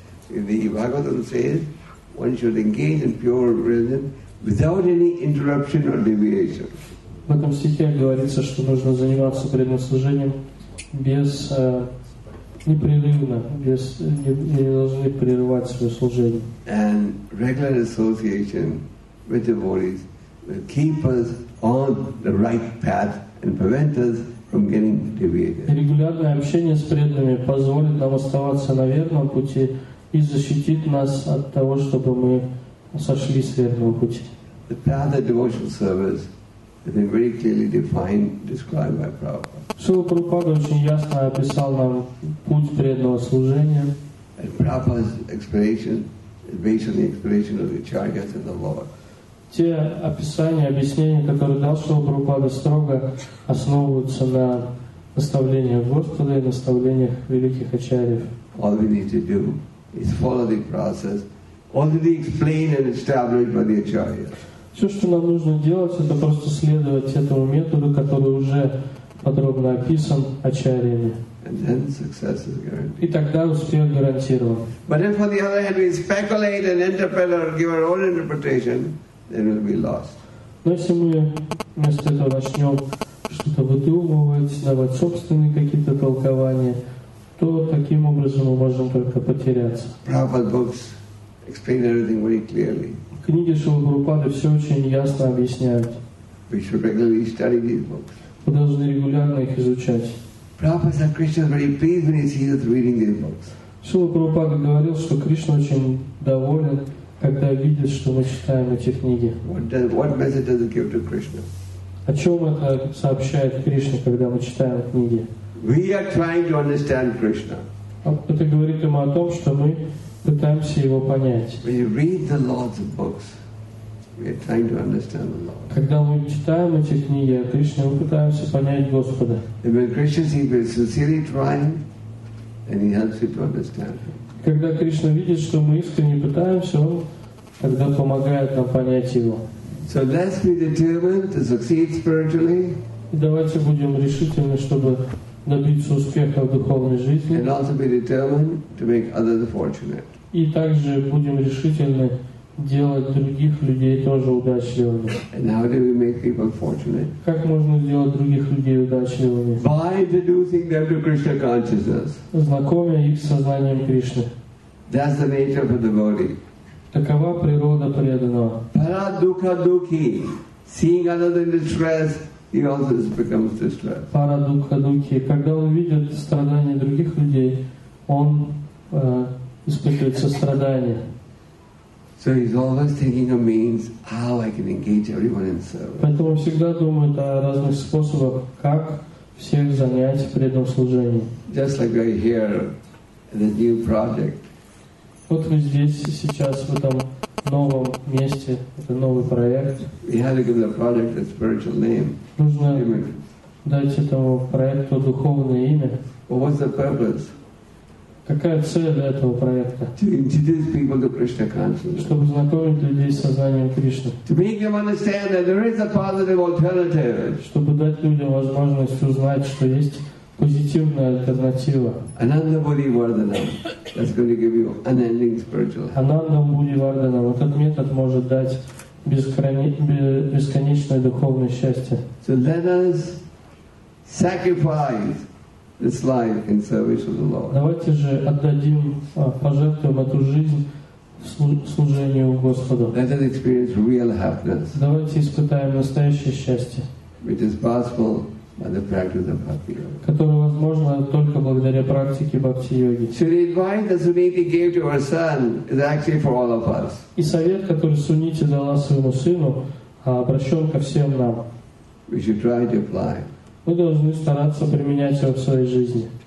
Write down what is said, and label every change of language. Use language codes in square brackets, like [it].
[en] The Bhagavatam says one should engage in pure religion without any interruption or deviation. [ru] В этом стихе говорится, что нужно заниматься преданным служением без непрерывно, не должны прерывать свое служение. [en] And regular association with devotees will keep us on the right path and prevent us from getting deviated. [ru] Регулярное общение с преданными позволит нам оставаться на верном пути. И защитит нас от того, чтобы мы сошли с верного пути. [en] The path of devotional service has been very clearly defined, described by Prabhupada. [ru] Шрила Прабхупада очень ясно описал нам путь преданного служения. [en] And Prabhupada's explanation is based on the explanation of the Acharyas and the Lord. [ru] Те описания, объяснения, которые дал Шрила Прабхупада, строго основываются на наставлениях Господа и наставлениях великих Ачарьев. [en] All we need to do is follow the process already explained and established by the Acharya. [ru] Все, что нам нужно делать, это просто следовать этому методу, который уже подробно описан Ачарьями. [en] And then success is guaranteed. [ru] И тогда успех гарантирован. [en] But if, on the other hand, we speculate and interpret or give our own interpretation, then we'll be lost. [ru] Но если мы вместо этого начнем что-то выдумывать, давать собственные какие-то толкования, то таким образом мы можем только потеряться. [en] Prabhupada's books explain everything very clearly. [ru] Книги Шрилы Прабхупады все очень ясно объясняют. [en] We should regularly study these books. [ru] Мы должны регулярно их изучать. [en] Prabhupada said Krishna is very pleased when he sees us reading these books. [ru] Шрила Прабхупада говорил, что Кришна очень доволен, когда видит, что мы читаем эти книги. [en] What message does it give to Krishna? [ru] О чем это сообщает Кришна, когда мы читаем книги? [en] We are trying to understand Krishna. [ru] Это говорит ему о том, что мы пытаемся его понять. [en] When you read the Lord's books, we are trying to understand the Lord. [ru] Когда мы читаем эти книги о Кришне, мы пытаемся понять Господа. [en] And when Krishna sees we are sincerely trying, and he helps you to understand him. [ru] Когда Кришна видит, что мы искренне пытаемся, он тогда помогает нам понять его. [en] So let's be determined to succeed spiritually. [ru] И давайте будем решительны, чтобы добиться успеха в духовной жизни. [en] And also be determined to make others fortunate. [ru] И также будем решительны делать других людей тоже удачливыми. [en] And how do we make people fortunate? [ru] Как можно сделать других людей удачливыми? [en] By introducing them to Krishna consciousness. [ru] Знакомя их с сознанием Кришны. [en] That's the nature of a devotee. [ru] Такова природа преданного. [sa] Para dukha dukhi, [en] seeing others in distress, He also becomes distressed. [sa] Парадукха духи. [ru] Когда он видит страдания других людей, он испытывает сострадание. [en] So he's always thinking of means how I can engage everyone in service. [ru] Поэтому всегда думает о разных способах, как всех занять в преданном служении. [en] Just like we're here, the new project. [ru] Вот мы здесь сейчас в этом новом месте, это новый проект. [en] We have to give the project a spiritual name. [ru] Нужно дать этому проекту духовное имя. [en] Well, what's the purpose? [ru] Какая цель этого проекта? [en] To introduce people to Krishna consciousness. [ru] Чтобы знакомить людей с сознанием Кришны. [en] To make them understand that there is a positive alternative. [ru] Чтобы дать людям возможность узнать, что есть позитивная альтернатива. [sa] Ananda Bodhi Vardhanam. [en] That's going to give you unending spiritual health. [sa] Ananda Bodhi Vardhanam. [ru] Вот этот метод может дать бесконечное духовное счастье. [en] So let us sacrifice this life in service of the Lord. [ru] Давайте же отдадим, пожертвуем эту жизнь служению Господу. [en] Let us experience real happiness. [ru] Давайте испытаем настоящее счастье. [en] Which is possible by the practice of Bhakti Yoga. [ru] Которое возможно только благодаря практике Бхакти Йоги. [en] So the advice that Suniti gave to her son is actually for all of us. [ru] И совет, который Сунити дала своему сыну, обращен ко всем нам. [en] We should try to apply. [ru] Мы должны стараться применять его в своей жизни.